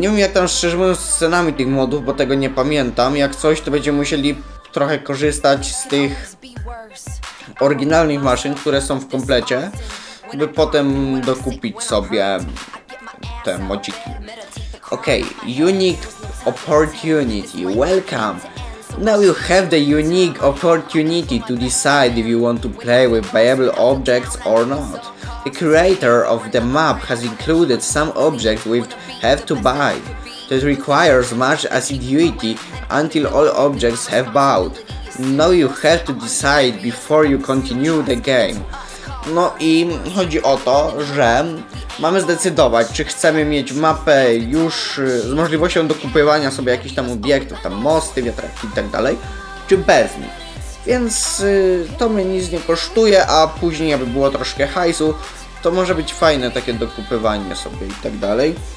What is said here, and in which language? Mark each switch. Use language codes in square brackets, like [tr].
[pl] Nie wiem, jak tam szczerze mówiąc z cenami tych modów, bo tego nie pamiętam. Jak coś, to będziemy musieli trochę korzystać z tych oryginalnych maszyn, które są w komplecie, by potem dokupić sobie te modziki. [en] Okej, okay. Unique opportunity, welcome. Now you have the unique opportunity to decide if you want to play with viable objects or not. The creator of the map has included some objects we have to buy. That requires much assiduity until all objects have bought. Now you have to decide before you continue the game. [pl] No i chodzi o to, że mamy zdecydować, czy chcemy mieć mapę już z możliwością dokupywania sobie jakichś tam obiektów, tam mosty, wiatraki i tak dalej, czy bez nich. Więc to mnie nic nie kosztuje, a później, aby było troszkę hajsu, to może być fajne takie dokupywanie sobie i tak dalej.